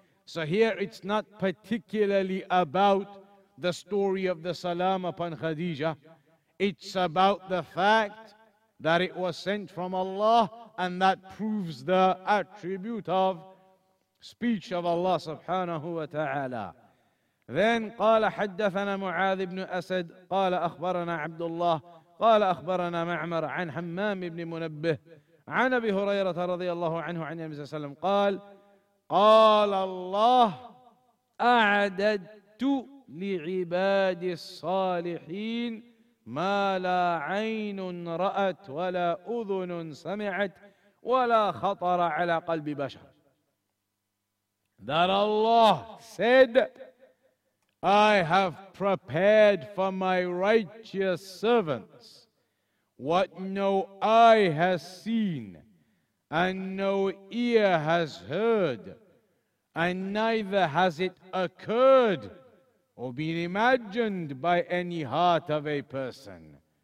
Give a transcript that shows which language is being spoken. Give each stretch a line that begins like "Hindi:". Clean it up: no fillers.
English: So here it's not particularly about the story of the salam upon Khadija. It's about the fact that it was sent from Allah, and that proves the attribute of speech of Allah subhanahu wa ta'ala.
Arabic: Then قال حدثنا معاذ بن أسد قال أخبرنا عبد الله قال أخبرنا معمر عن حمام بن منبه عن أبي هريرة رضي الله عنه عن النبي صلى الله عليه وسلم قال قال الله أعددت لعباد الصالحين ما لا عين رأت ولا أذن سمعت ولا خطر على قلب بشر.
English: That Allah said, I have prepared for my righteous servants what no eye has seen and no ear has heard, and neither has it occurred or been imagined by any heart of a person.